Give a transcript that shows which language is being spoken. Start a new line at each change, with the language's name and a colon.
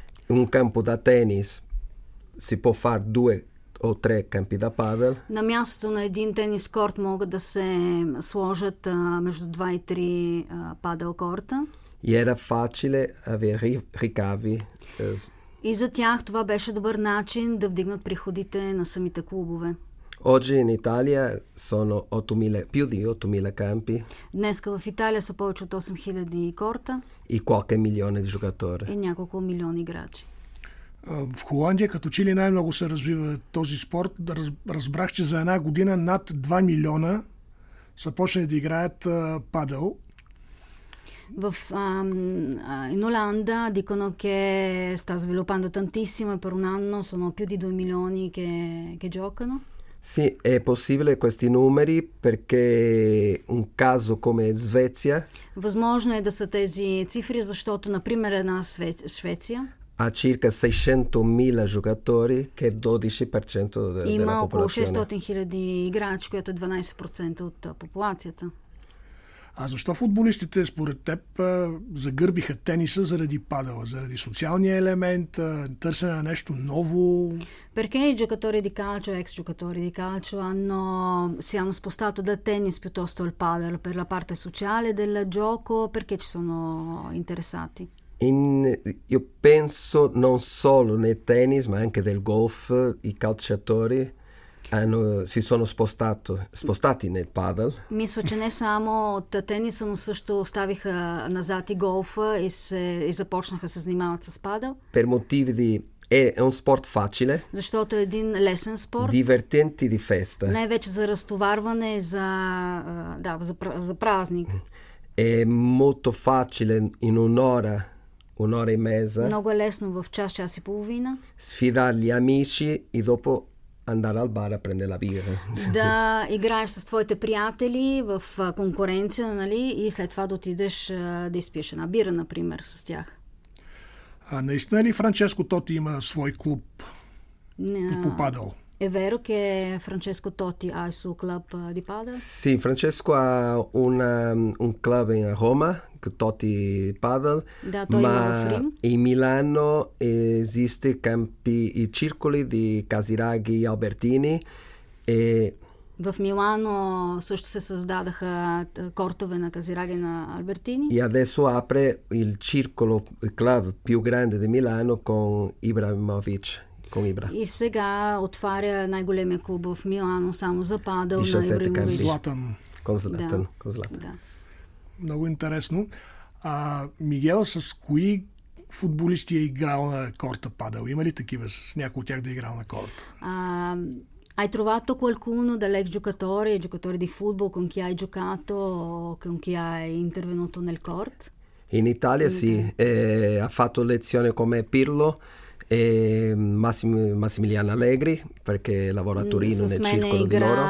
Italian: Un campo da tennis si può far due o tre campi da padel.
Bulgarian: На мястото на един тенис корт могат да се сложат между 2 и 3 падел корта. И
Italian: era facile avere ricavi.
Bulgarian: И за тях това беше добър начин да вдигнат приходите на самите клубове.
Italian: Oggi in Italia sono 8000, più di 8000 campi.
Bulgarian: Днеска в Италия са повече от 8000 корта. И
Italian: qualche milione di giocatori.
Bulgarian: И няколко милиони играчи. В Холандия като че ли най-много се развива този спорт. Разбрах, че за една година над 2 милиона са почнали да играят падел. В
Italian: in Olanda dicono che sta sviluppando tantissimo per un anno sono più di 2 milioni che giocano. Sì, è possibile questi numeri perché un caso come Svezia.
Bulgarian: Възможно е да са тези цифри, защото например една Швеция
Italian: ha circa 600.000 giocatori che è 12% della popolazione.
Bulgarian: Има около 600.000 играчи, което е 12% от популацията. А защо футболистите според теб загърбиха тениса заради падала, заради социалния елемент, търсене на нещо ново?
Italian: Perché i giocatori di calcio, ex giocatori di calcio, si hanno spostato da tennis piuttosto al padel per la parte sociale del gioco, perché ci sono interessati? Io penso non solo nel tennis, ma anche del golf, i calciatori si sono spostati nel padel.
Bulgarian: Мисля, че не само от тениса, но също оставиха назад и голфа и започнаха се занимават с падел.
Italian: Per motivi di è un sport facile.
Bulgarian: Защото е един лесен спорт.
Italian: Divertente di festa.
Bulgarian: Най-вече за разтоварване, за празник.
Italian: È molto facile in un'ora e mezza.
Bulgarian: Много е лесно в час и половина.
Italian: Sfidare gli amici e dopo andare al bar a prendere la birra.
Bulgarian: Да играеш с твоите приятели в конкуренция, нали, и след това да отидеш да изпиеш една бира, например, с тях. А наистина ли Франческо Тоти има свой клуб? Не. Попадал.
Italian: È vero che Francesco Totti ha il suo club di padel? Sì, Francesco ha un club in Roma, Totti Padel, ma in Milano esiste campi i circoli di Casiraghi e Albertini e
Bulgarian: в Милано също се създадаха кортове на Казираги на Албертини. И
Italian: adesso apre il circolo club più grande di Milano con Ibrahimovic.
Bulgarian: И сега отваря най-големия клуб в Милано само за падъл на Ибрахимович. Златан. Златан. Да. Много интересно. А Мигел, с кои футболисти е играл на корта падъл? Има ли такива с някой от тях да е играл на корта?
Italian: Hai trovato qualcuno dell'ex giocatore, giocatore di football con chi hai giocato o con chi hai intervenuto nel court? In Italia sì. Ha fatto lezione con me Pirlo. E Massimiliano Allegri perché lavora a Torino nel circolo di loro.